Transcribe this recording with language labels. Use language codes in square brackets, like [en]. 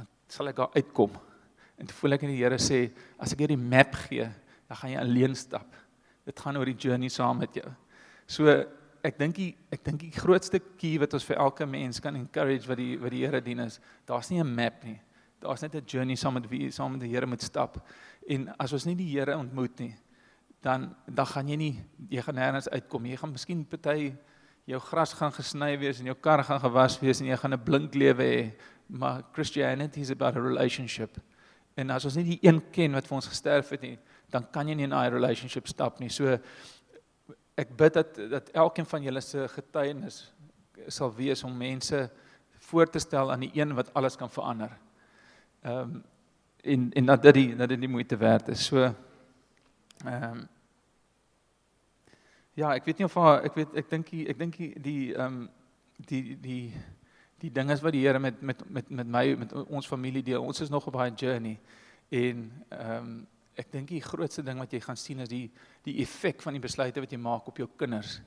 [af] sal ek daar uitkom, en toe voel ek in die Here sê, as ek hier die map gee, dan gaan jy alleen stap, dit gaan oor die journey saam met jou, so ek dink die grootste key wat ons vir elke mens kan encourage, wat die Here dien is, daar is nie 'n map nie, daar is net 'n journey saam met die Here moet stap, en as ons nie die Here ontmoet nie, dan gaan jy nie, jy gaan nergens uitkom, jy gaan miskien party, jou gras gaan gesny wees, en jou kar gaan gewas wees, en jy gaan 'n blink lewe hê. Maar [en] Christianity is about a relationship. [af] En as ons nie die een ken wat vir ons gesterf het nie, dan kan jy nie in 'n relationship stap nie. So ek bid dat elkeen van julle se getuienis sal wees om mense voor te stel aan die een wat alles kan verander. En dat dit die moeite werd is. So ja, ek weet nie of die ding is wat die Here met my, met ons familie deel, ons is nog op haar journey, en ek dink die grootste ding wat jy gaan sien is die effek van die besluite wat jy maak op jou kinders.